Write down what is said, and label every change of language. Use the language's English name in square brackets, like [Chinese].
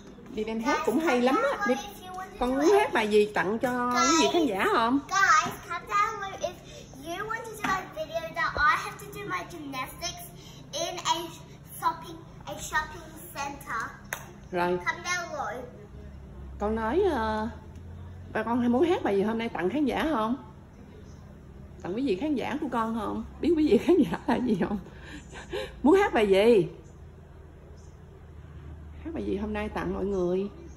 [Vietnamese] Vivian hát cũng hay lắm á. Con muốn hát bài gì tặng cho quý vị khán giả không? [English] Guys, come down if you want to do my video that I have to do my gymnastics in a shopping center. [Vietnamese] Rồi. [English] Come down [Vietnamese] rồi. Con nói ba con hay muốn hát bài gì hôm nay tặng khán giả không? Tặng quý vị khán giả của con không? Biết quý vị khán giả là gì không? Muốn hát bài gì? Hát bài gì hôm nay tặng mọi người?